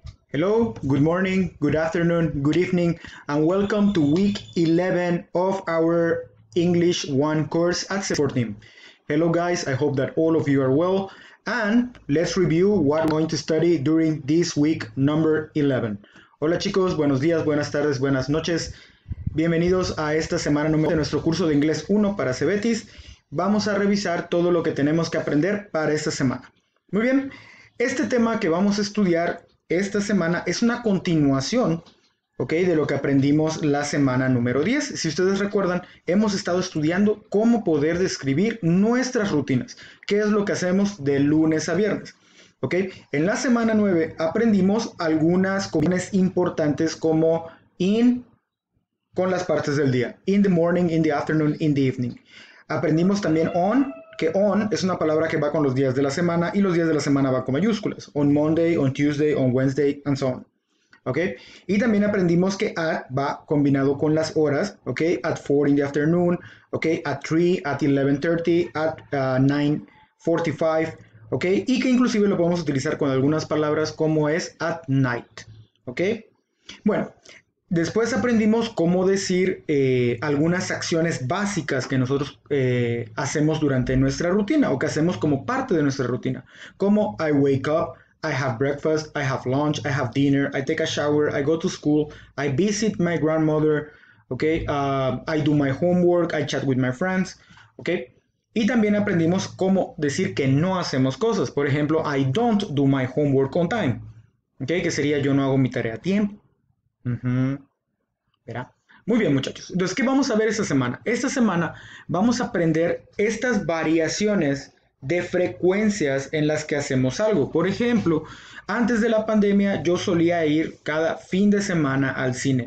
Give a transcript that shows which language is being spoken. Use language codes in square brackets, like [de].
[en] Hello, good morning, good afternoon, good evening, and welcome to week 11 of our English 1 course at 14. Hello guys, I hope that all of you are well, and let's review what we're going to study during this week number 11. [es] Hola chicos, buenos días, buenas tardes, buenas noches. Bienvenidos a esta semana número de nuestro curso de inglés 1 para CBETIS. Vamos a revisar todo lo que tenemos que aprender para esta semana. Muy bien, este tema que vamos a estudiar esta semana es una continuación, ¿ok?, de lo que aprendimos la semana número 10. Si ustedes recuerdan, hemos estado estudiando cómo poder describir nuestras rutinas. ¿Qué es lo que hacemos de lunes a viernes? ¿Ok? En la semana 9 aprendimos algunas combinaciones importantes como in con las partes del día. [en] In the morning, in the afternoon, in the evening. [es] Aprendimos también on, que on es una palabra que va con los días de la semana y los días de la semana va con mayúsculas. [en] On Monday, on Tuesday, on Wednesday, and so on. [es] ¿Ok? Y también aprendimos que at va combinado con las horas. [en] ¿Ok? At 4 in the afternoon. ¿Ok? At 3, at 11:30, at 9:45. ¿Ok? [es] Y que inclusive lo podemos utilizar con algunas palabras como es at night. ¿Ok? Bueno, después aprendimos cómo decir algunas acciones básicas que nosotros hacemos durante nuestra rutina o que hacemos como parte de nuestra rutina. [en] Como I wake up, I have breakfast, I have lunch, I have dinner, I take a shower, I go to school, I visit my grandmother, okay? I do my homework, I chat with my friends. Okay? [es] Y también aprendimos cómo decir que no hacemos cosas. Por ejemplo, [en] I don't do my homework on time. Okay? [es] Que sería yo no hago mi tarea a tiempo. Verá. Muy bien, muchachos. Entonces, ¿qué vamos a ver esta semana? Esta semana vamos a aprender estas variaciones de frecuencias en las que hacemos algo. Por ejemplo, antes de la pandemia yo solía ir cada fin de semana al cine.